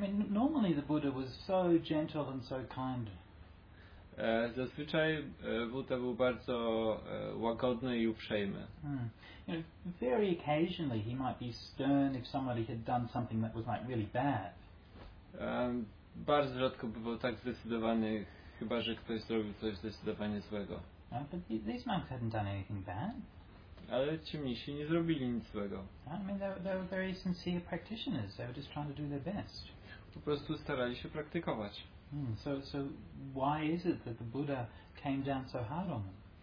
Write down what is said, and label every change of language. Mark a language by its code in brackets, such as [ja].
[en] Normally the Buddha was so gentle and so kind. [pl] Zazwyczaj Buddha był bardzo łagodny i uprzejmy. [en] Very occasionally he might be stern if somebody had done something that was like really bad. [pl] Bardzo rzadko bywał tak zdecydowany, chyba że ktoś zrobił coś zdecydowanie złego. [en] But these monks hadn't done anything bad. [pl] Ale ci mnisi nie zrobili nic złego. [en] They were very sincere practitioners. They were just trying to do their best. [pl] Po prostu starali się praktykować. [en] So why is it that the Buddha came down so hard on them?